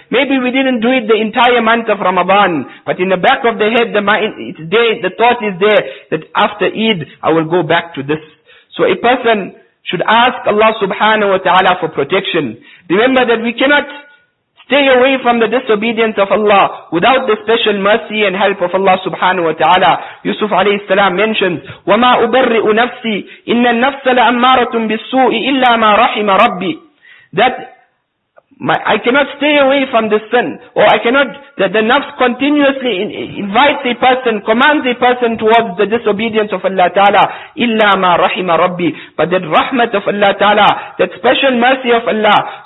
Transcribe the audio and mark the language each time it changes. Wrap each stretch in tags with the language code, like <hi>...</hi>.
<en>Maybe we didn't do it the entire month of Ramadan, but in the back of the head, the mind, it's there, the thought is there that after Eid, I will go back to this. So a person should ask Allah subhanahu wa ta'ala for protection. Remember that we cannot stay away from the disobedience of Allah without the special mercy and help of Allah subhanahu wa ta'ala. Yusuf alayhi salam mentions,</en> <ar>وَمَا أُبَرِّئُ نَفْسِي إِنَّ النَّفْسَ لَأَمَّارَةٌ بِالسُّوءِ إِلَّا مَا رَحِمَ رَبِّي.</ar> <en>That I cannot stay away from the sin, or I cannot, that the nafs continuously invites a person, commands a person towards the disobedience of Allah Ta'ala,</en> <ar>illa ma rahima rabbi,</ar> <en>but that rahmat of Allah Ta'ala, that special mercy of Allah.</en>